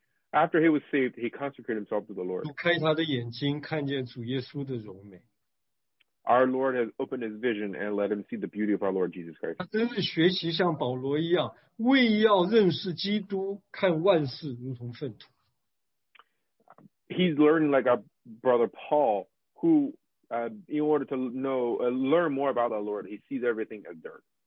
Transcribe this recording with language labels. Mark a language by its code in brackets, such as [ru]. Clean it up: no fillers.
[en] After he was saved, he consecrated himself to the Lord. [zh] 开他的眼睛，看见主耶稣的荣美。 [en] Our Lord has opened his vision and let him see the beauty of our Lord Jesus Christ. [zh] 他真是学习像保罗一样，为要认识基督，看万事如同粪土。 [en] He's learning like our brother Paul, who in order to learn more about our Lord, he sees everything as dirt.